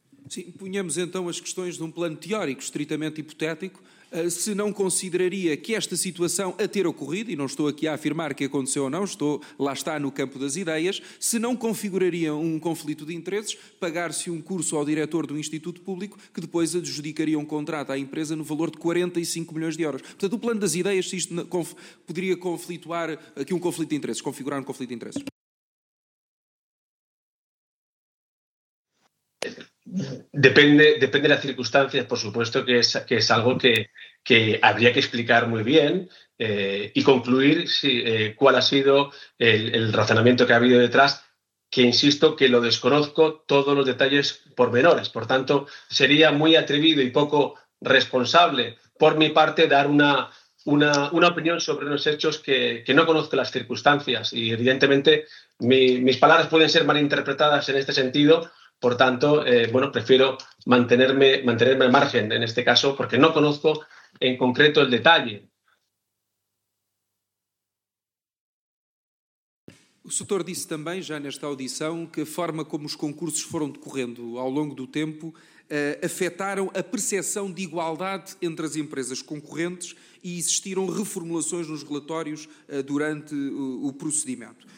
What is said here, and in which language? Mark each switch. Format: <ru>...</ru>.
<pt>Sim, punhamos então as questões de um plano teórico, estritamente hipotético, se não consideraria que esta situação a ter ocorrido, e não estou aqui a afirmar que aconteceu ou não, estou lá está no campo das ideias, se não configuraria um conflito de interesses, pagar-se um curso ao diretor do Instituto Público, que depois adjudicaria um contrato à empresa no valor de 45 milhões de euros. Portanto, o plano das ideias, se isto poderia conflituar aqui um conflito de interesses, configurar um conflito de interesses.</pt> <es>Depende de las circunstancias, por supuesto que es algo que habría que explicar muy bien y concluir cuál ha sido el razonamiento que ha habido detrás, que insisto que lo desconozco todos los detalles pormenores. Por tanto, sería muy atrevido y poco responsable por mi parte dar una opinión sobre los hechos que no conozco las circunstancias y evidentemente mis palabras pueden ser malinterpretadas en este sentido. Por tanto, prefiero mantenerme al margen en este caso porque no conozco en concreto el detalle.</es> <pt>O Sr. disse também, já nesta audição, que a forma como os concursos foram decorrendo ao longo do tempo afetaram a percepção de igualdade entre as empresas concorrentes e existiram reformulações nos relatórios durante o procedimento.</pt>